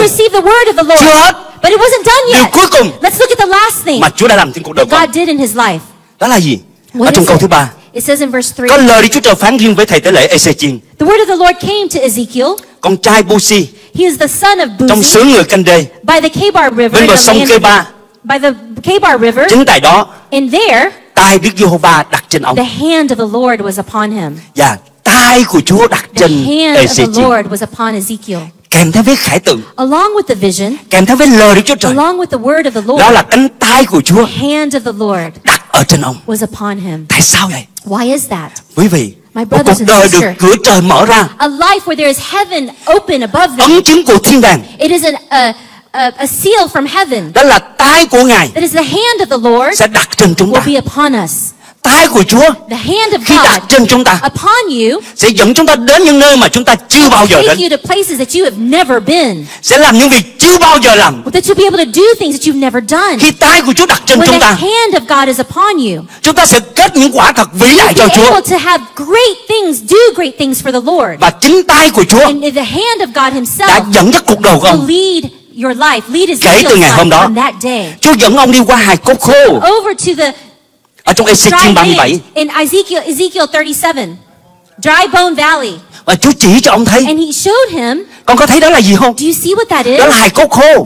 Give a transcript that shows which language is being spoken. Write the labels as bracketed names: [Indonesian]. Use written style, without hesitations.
[English] He received the word of the Lord. [Vietnamese] Chưa hết. [English] But it wasn't done yet. [Vietnamese] Điều cuối cùng. [English] Let's look at the last thing. [Vietnamese] Mà Chúa đã làm trên cuộc đời của [English] God did in his life. [Vietnamese] Đó là gì? Ở trong câu thứ ba. [English] It says in verse 3. [Vietnamese] Có lời Đức Chúa Trời phán riêng với thầy tế lễ Ê-xê-chi. [English] The word of the Lord came to Ezekiel. [Vietnamese] Con trai Busi. [English] He is the son of Buzi. [Vietnamese] Trong xứ người Canh Đê. [English] By the Kabar River. [Vietnamese] Bên bờ sông Kabar. [English] By the Kabar River. [Vietnamese] Chính tại đó. [English] And there. [Vietnamese] Tay Đức Giê-hô-va đặt trên ông. [English] The hand of the Lord was upon him. [Vietnamese] Dạ, tay của Chúa đặt trên Ê-xê-chi. [English] The hand of the Lord was upon Ezekiel. [Vietnamese] Kèm theo với khải tượng. [English] Along with the vision. [Vietnamese] Kèm theo với lời Đức Chúa Trời. [English] Along with the word of the Lord. [Vietnamese] Đó là cánh tay của Chúa. [English] The hand of the Lord. [Vietnamese] Đặt ở trên ông. [English] Was upon him. [Vietnamese] Tại sao vậy? [English] Why is that? [Vietnamese] Quý vị. [English] My brothers [Vietnamese] một cuộc đời được cửa trời mở ra. [English] A life where there is heaven open above them. [Vietnamese] Ấn chứng của thiên đàng. [English] It is a seal from heaven. [Vietnamese] Đó là tay của Ngài. [English] It is the hand of the Lord. [Vietnamese] Sẽ đặt trên chúng ta. [English] Will be upon us. [Vietnamese] Tay của Chúa. [English] The hand of [Vietnamese] khi [English] God [Vietnamese] đặt trên chúng ta. [English] Upon you. [Vietnamese] Sẽ dẫn chúng ta đến những nơi mà chúng ta chưa bao giờ đến. [English] Take you to places that you have never been. [Vietnamese] Sẽ làm những việc chưa bao giờ làm. [English] That you'll be able to do things that you've never done. [Vietnamese] Khi tay của Chúa đặt trên [English] when [Vietnamese] chúng ta. [English] The hand of God is upon you. [Vietnamese] Chúng ta sẽ kết những quả thật vĩ đại cho Chúa. [English] To have great things, do great things for the Lord. [Vietnamese] Và chính tay của Chúa. [English] And the hand of God himself. [Vietnamese] Đã dẫn dắt cuộc đời ông. [English] Your life. Lead [Vietnamese] kể từ ngày hôm đó. [English] That day. [Vietnamese] Chúa dẫn ông đi qua hài cốt khô. [English] Over to the [Vietnamese] ở trong Ê-xê-chi 37. [English] In Ezekiel 37. Dry bone valley. [Vietnamese] Và Chúa chỉ cho ông thấy. [English] And he showed him. [Vietnamese] Con có thấy đó là gì không? [English] Do you see what that is? [Vietnamese] Đó là hài cốt khô.